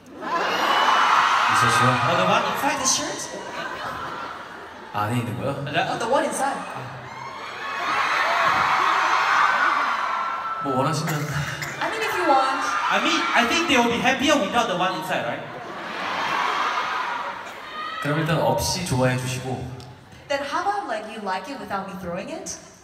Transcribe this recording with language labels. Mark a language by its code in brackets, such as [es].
[ko] 있었죠? [en] Oh, the one inside the shirt? [ko] 안에 있는 거요? [en] The one inside. [ko] 뭐 원하시면. [en] I mean, I think they will be happier without the one inside, right? [ko] 그럼 일단 없이 좋아해 주시고. [en] Then how about like you like it without me throwing it?